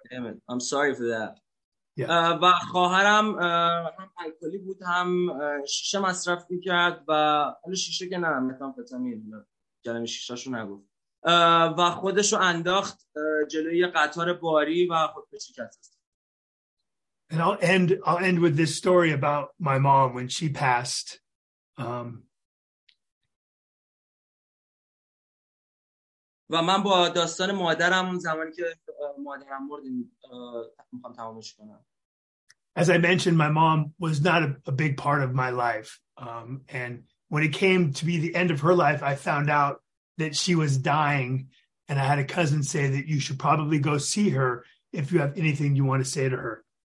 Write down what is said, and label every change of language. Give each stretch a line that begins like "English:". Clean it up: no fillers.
English: Damn it. I'm sorry for that. Yeah.
Persian: و خواهرم هم الکلی بود هم شیشه مصرف می‌کرد و حالا شیشه که نه متامفتامین جلوی شیشه‌شو نگفت و خودشو انداخت جلوی قطار باری و خودکشی کرد.
English: And I'll end with this story about my mom when she passed.
Persian: و من با داستان مادرم زمانی که مادرم مرد میخوام تمامش کنم.
English: As I mentioned, my mom was not a big part of my life. And when it came to be the end of her life, I found out that she was dying. And I had a cousin say that you should probably go see her if you have anything you want to say to her.